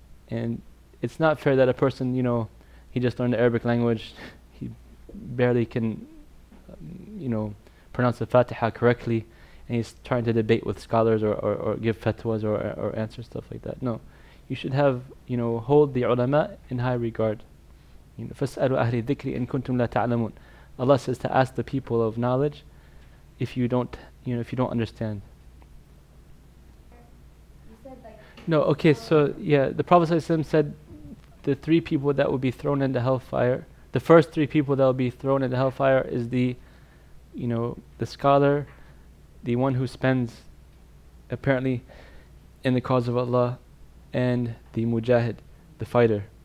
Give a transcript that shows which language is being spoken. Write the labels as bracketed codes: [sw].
[en] And it's not fair that a person, you know, he just learned the Arabic language, he barely can, you know, pronounce the Fatiha correctly, and he's trying to debate with scholars or give fatwas or answer stuff like that. No, you should have, you know, hold the ulama in high regard. [ar] You know, فَاسْأَلُوا أَهْلِ الذِّكْرِ إِن كُنْتُمْ لَا تَعْلَمُونَ. [en] Allah says to ask the people of knowledge if you don't, you know, if you don't understand. You said like, no, okay, so yeah, the Prophet ﷺ said the three people that will be thrown into hellfire, the first three people that will be thrown into hellfire is the, you know, the scholar, the one who spends apparently in the cause of Allah, and the mujahid, the fighter.